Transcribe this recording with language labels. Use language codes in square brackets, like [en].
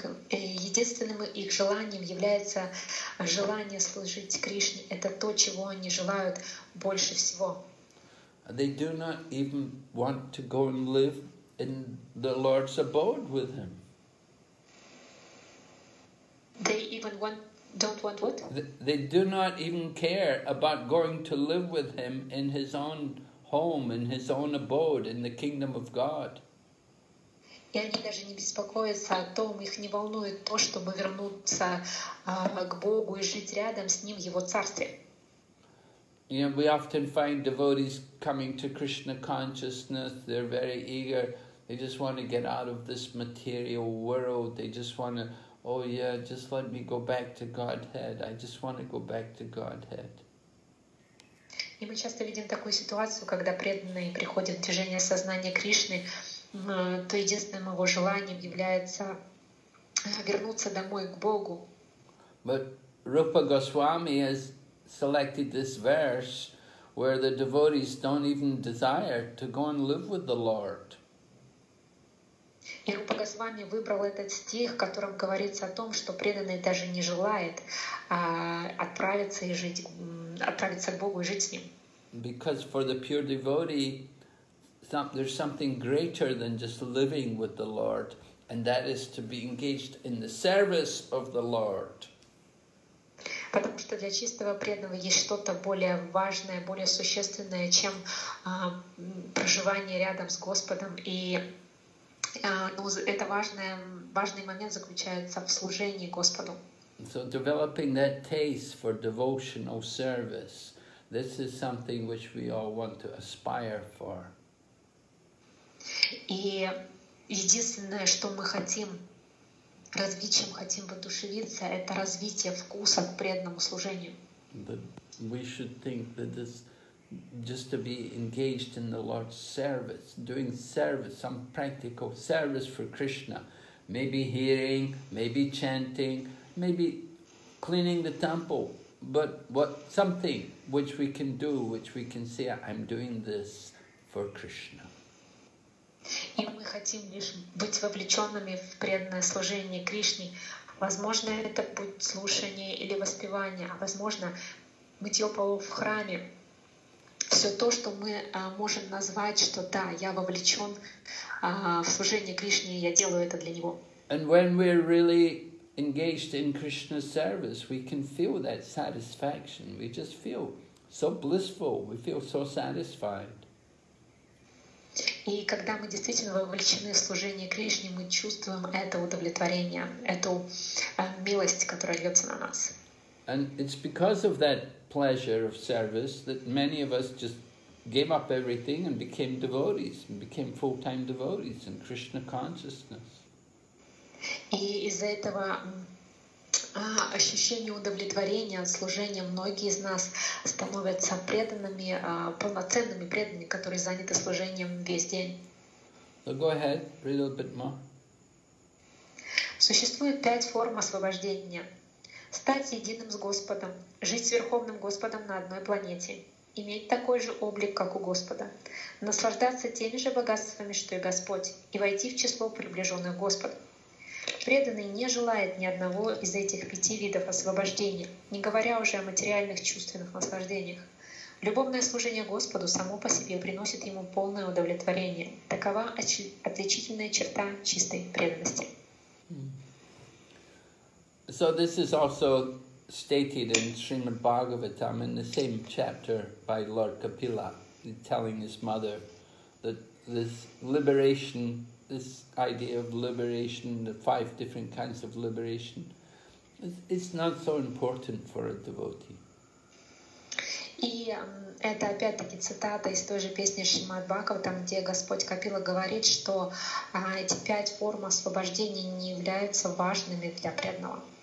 [ru] Единственным их желанием является желание служить Кришне. Это то, чего они желают больше всего. [en] They do not even want to go and live in the Lord's abode with him. They do not even care about going to live with him in his own home, in his own abode, in the kingdom of God. [ru] И они даже не беспокоятся о том, их не волнует то, чтобы вернуться к Богу и жить рядом с ним в его царстве. [en] You know, we often find devotees coming to Krishna consciousness, they're very eager, they just want to get out of this material world, they just want to, oh yeah, just let me go back to Godhead. I just want to go back to Godhead. [ru] И мы часто видим такую ситуацию, когда преданные приходят в движение сознания Кришны, то единственным его желанием является вернуться домой к Богу. [en] But Rupa Goswami has selected this verse where the devotees don't even desire to go and live with the Lord. [ru] И Рупа Госвами выбрал этот стих, в котором говорится о том, что преданный даже не желает отправиться к Богу и жить с ним. [en] Because for the pure devotee, there's something greater than just living with the Lord, and that is to be engaged in the service of the Lord. [ru] Потому что для чистого преданного есть что-то более важное, более существенное, чем проживание рядом с Господом и важный момент заключается в служении Господу. [en] So developing that taste for devotional service, this is something which we all want to aspire for. [ru] И единственное, что мы хотим развить, чем хотим воодушевиться, это развитие вкуса к преданному служению. [en] But we should think that this just to be engaged in the Lord's service, doing service, some practical service for Krishna. Maybe hearing, maybe chanting, maybe cleaning the temple, but what something which we can do, which we can say, I'm doing this for Krishna. [ru] И мы хотим лишь быть вовлеченными в преданное служение Кришне, Возможно, это будет слушание или воспевание, а возможно, мытье полов в храме. Все то, что мы можем назвать, что да, я вовлечен в служение Кришне, я делаю это для Него. [en] And when we're really engaged in Krishna's service, we can feel that satisfaction. We just feel so blissful. We feel so satisfied. [ru] И когда мы действительно вовлечены в служение Кришне, мы чувствуем это удовлетворение, эту милость, которая льется на нас. [en] And it's because of that pleasure of service that many of us just gave up everything and became devotees, and became full-time devotees in Krishna consciousness. [ru] И из-за этого ощущения удовлетворения от служения многие из нас становятся преданными, полноценными преданными, которые заняты служением весь день. [en] So go ahead, read a little bit more. [ru] Существует 5 форм освобождения. Стать единым с Господом, жить с Верховным Господом на одной планете, иметь такой же облик, как у Господа, наслаждаться теми же богатствами, что и Господь, и войти в число приближенных Господа. Преданный не желает ни одного из этих 5 видов освобождения, не говоря уже о материальных чувственных наслаждениях. Любовное служение Господу само по себе приносит ему полное удовлетворение. Такова отличительная черта чистой преданности. [en] So this is also stated in Srimad Bhagavatam in the same chapter by Lord Kapila, telling his mother that this liberation, this idea of liberation, the 5 different kinds of liberation, it's not so important for a devotee. [ru] И это опять-таки цитата из той же песни Шримад Бхагаватам, где Господь Капила говорит, что эти 5 форм освобождения не являются важными для преданного.